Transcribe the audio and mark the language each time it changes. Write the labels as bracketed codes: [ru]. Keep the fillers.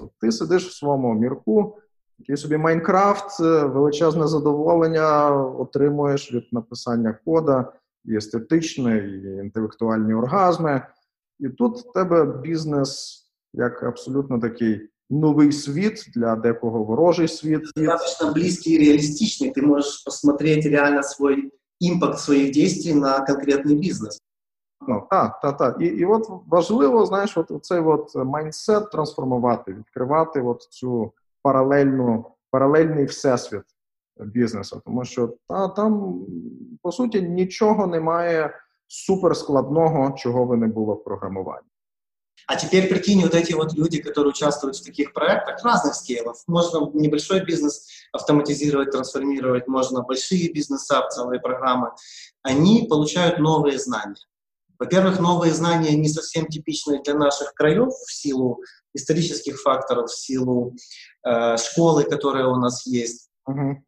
[uk] От Ти сидиш в своєму мірку, такий собі Майнкрафт, е, величезне задоволення отримуєш від написання кода, і естетичне, і інтелектуальні оргазми. І тут в тебе бізнес як абсолютно такий новий світ для декого ворожий світ. [ru] Достаточно близкий и реалистичный. Ты можешь посмотреть реально свой импакт своих действий на конкретный бизнес. [uk] Ну, та, та, та. І, і от важливо, знаєш, от цей от майндсет трансформувати, відкривати от цю паралельну, паралельний всесвіт бізнесу. Тому що та, там, по суті, нічого немає суперскладного, чого би не було в програмуванні. [ru] А теперь прикинь, вот эти вот люди, которые участвуют в таких проектах разных скейлов. Можно небольшой бизнес автоматизировать, трансформировать, можно большие бизнеса, целые программы. Они получают новые знания. Во-первых, новые знания не совсем типичные для наших краев в силу исторических факторов, в силу э, школы, которая у нас есть uh-huh.